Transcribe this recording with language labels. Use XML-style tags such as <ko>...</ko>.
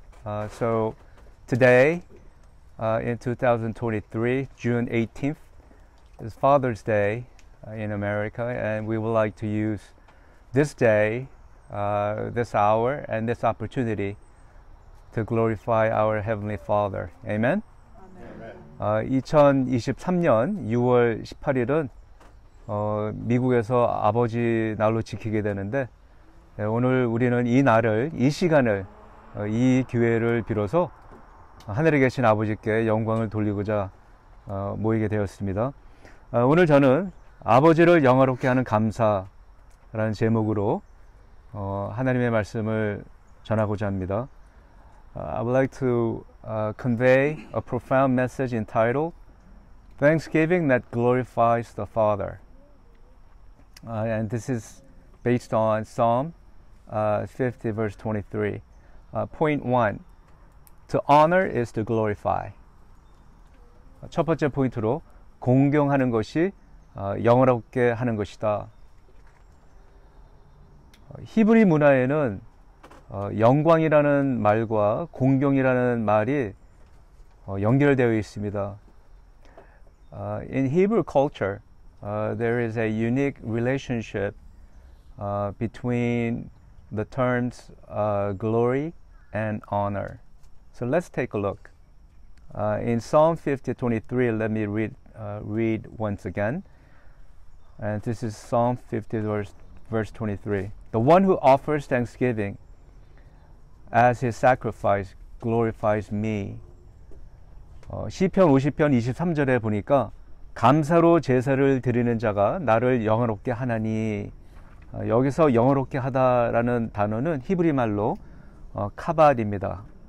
<en>So today, in 2023, June 18th, is Father's Day in America, and we would like to use this day, this hour, and this opportunity to glorify our Heavenly Father. Amen? Amen.</en> <ko>2023년 6월 18일은 미국에서 아버지 날로 지키게 되는데 네, 오늘 우리는 이 날을, 이 시간을, 이 기회를 빌어서 하늘에 계신 아버지께 영광을 돌리고자 모이게 되었습니다. 오늘 저는 아버지를 영화롭게 하는 감사라는 제목으로 하나님의 말씀을 전하고자 합니다.</ko> <en>I would like to convey a profound message entitled Thanksgiving that glorifies the Father. And this is based on Psalm 50 verse 23. Point 1. To honor is to glorify.</en> <ko>첫 번째 포인트로 공경하는 것이 영화롭게 하는 것이다. 히브리 문화에는 영광이라는 말과 공경이라는 말이 연결되어 있습니다.</ko> <en>In Hebrew culture, there is a unique relationship between the terms glory and honor. So let's take a look. In Psalm 50:23, let me read once again. And this is Psalm 50 verse 23. The one who offers thanksgiving as his sacrifice glorifies me.</en> <ko>시편 50편 23절에 보니까 감사로 제사를 드리는 자가 나를 영화롭게 하나니 여기서 영어롭게 하다라는 단어는 히브리 말로 카바드입니다.</ko>